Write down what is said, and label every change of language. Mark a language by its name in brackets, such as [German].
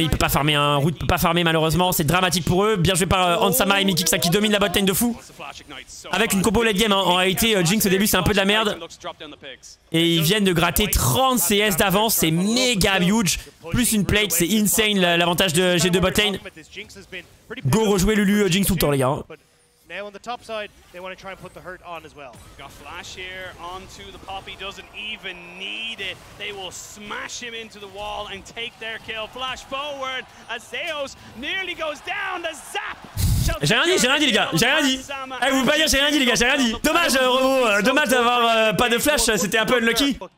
[French] Il peut pas farmer un root, il peut pas farmer malheureusement. C'est dramatique pour eux. Bien joué par Ansama et Mikiksa qui dominent la bot lane de fou. Avec une combo late game. Hein. En réalité, Jinx au début, c'est un peu de la merde. Et ils viennent de gratter 30 CS d'avance. C'est méga huge. Plus une plate, c'est insane l'avantage de G2 bot lane. Go rejouer Lulu Jinx tout le temps, les gars. [English] Now on the top side, they want to try and put the hurt on as well. We've got Flash here onto the Poppy, doesn't even need it. They will smash him into the wall and take their kill. Flash forward as Zeus nearly goes down, the zap! [French] J'ai rien dit les gars, j'ai rien dit. Eh, vous pouvez pas dire j'ai rien dit les gars, j'ai rien dit. Dommage Robo, dommage d'avoir pas de flash, c'était un peu unlucky.